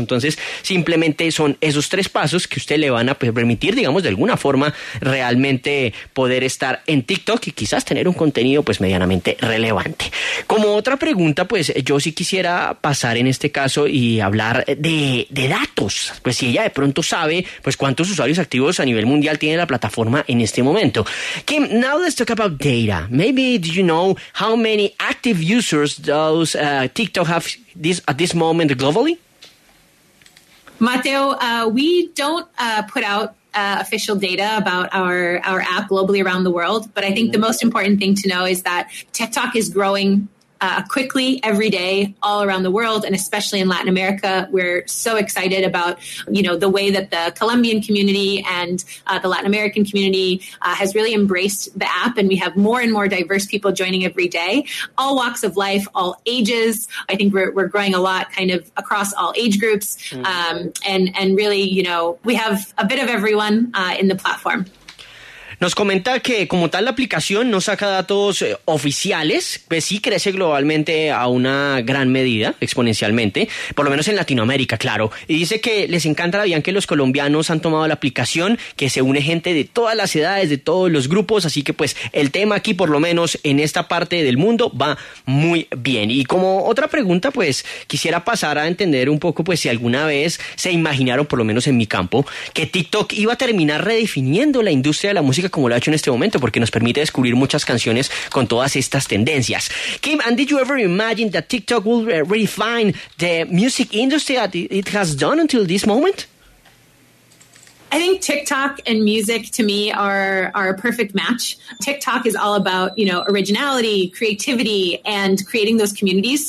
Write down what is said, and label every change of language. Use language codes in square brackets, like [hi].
[es] Entonces, simplemente son esos tres pasos que usted le van a pues, permitir, digamos, de alguna forma realmente poder estar en TikTok y quizás tener un contenido pues medianamente relevante. Como otra pregunta, pues yo sí quisiera pasar en este caso y hablar de datos. Pues si ella de pronto sabe pues cuántos usuarios activos a nivel mundial tiene la plataforma en este momento. [en] Kim, now let's talk about data. Maybe do you know how many active users does TikTok have this at this moment globally? Mateo, we don't put out official data about our app globally around the world, but I think the most important thing to know is that TikTok is growing quickly every day all around the world, and especially in Latin America. We're so excited about, you know, the way that the Colombian community and the Latin American community has really embraced the app, and we have more and more diverse people joining every day, all walks of life, all ages. I think we're growing a lot kind of across all age groups, and really, you know, we have a bit of everyone in the platform. [es] Nos comenta que como tal la aplicación no saca datos oficiales, pues sí crece globalmente a una gran medida, exponencialmente, por lo menos en Latinoamérica, claro. Y dice que les encanta la vida que los colombianos han tomado la aplicación, que se une gente de todas las edades, de todos los grupos, así que pues el tema aquí, por lo menos en esta parte del mundo, va muy bien. Y como otra pregunta, pues quisiera pasar a entender un poco pues si alguna vez se imaginaron, por lo menos en mi campo, que TikTok iba a terminar redefiniendo la industria de la música como lo ha hecho en este momento, porque nos permite descubrir muchas canciones con todas estas tendencias. [en] Kim, and did you ever imagine that TikTok will redefine the music industry that it has done until this moment? I think TikTok and music to me are a perfect match. TikTok is all about, you know, originality, creativity, and creating those communities.